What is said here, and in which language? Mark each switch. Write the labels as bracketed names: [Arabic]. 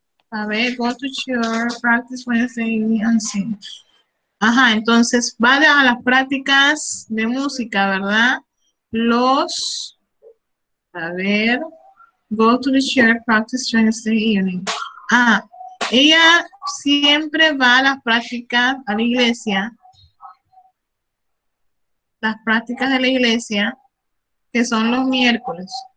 [Spanish] A ver, [English] go to your practice Wednesday and sing. [Spanish] Ajá, entonces va a las prácticas de música, ¿verdad? Los... A ver, [English] go to the shared practice Wednesday evening. [Spanish] Ah, ella siempre va a las prácticas a la iglesia. Las prácticas de la iglesia, que son los miércoles.